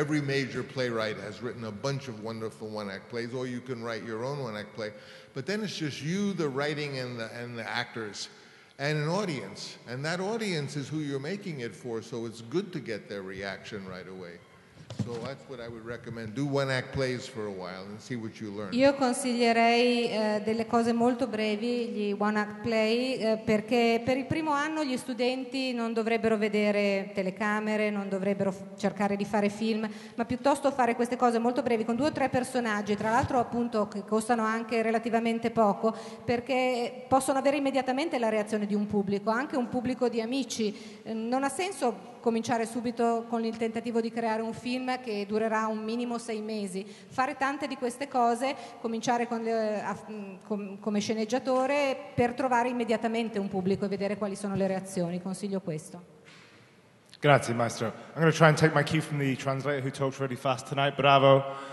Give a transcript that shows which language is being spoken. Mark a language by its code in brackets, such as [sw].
[en] Every major playwright has written a bunch of wonderful one-act plays, or you can write your own one-act play. But then it's just you, the writing, and the actors. And an audience, and that audience is who you're making it for, so it's good to get their reaction right away. So that's what I would recommend. Do one act plays for a while and see what you learn. [it] Io consiglierei delle cose molto brevi, gli one act play, perché per il primo anno gli studenti non dovrebbero vedere telecamere, non dovrebbero cercare di fare film, ma piuttosto fare queste cose molto brevi con 2 o 3 personaggi, tra l'altro appunto che costano anche relativamente poco, perché possono avere immediatamente la reazione di un pubblico, anche un pubblico di amici. Non ha senso cominciare subito con il tentativo di creare un film che durerà un minimo 6 mesi. Fare tante di queste cose, cominciare come sceneggiatore per trovare immediatamente un pubblico e vedere quali sono le reazioni. Consiglio questo. Grazie maestro. [en] I'm going to try and take my cue from the translator who talks really fast tonight. Bravo.